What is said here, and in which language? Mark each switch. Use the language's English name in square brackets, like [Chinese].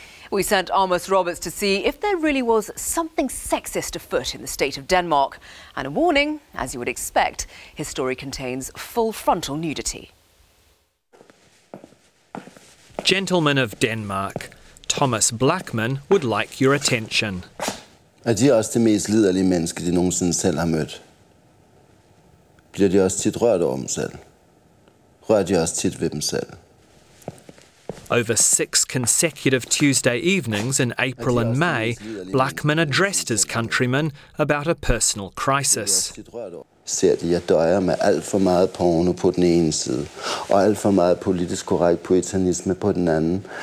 [English] We sent Amos Roberts to see if there really was something sexist afoot in the state of Denmark. And a warning, as you would expect, his story contains full frontal nudity. Gentlemen of Denmark, Thomas Blackman would like your attention. [Danish] Er de også det mest liderlige menneske, de nogensinde selv har mødt? Bliver de også tit rørt over dem selv? Rører de også tit ved dem selv? [English] Over six consecutive Tuesday evenings in April and May, Blackman addressed his countrymen about a personal crisis. [Danish] Ser de, jeg døjer med alt for meget porno på den ene side, og alt for meget politisk korrekt puritanisme på den anden.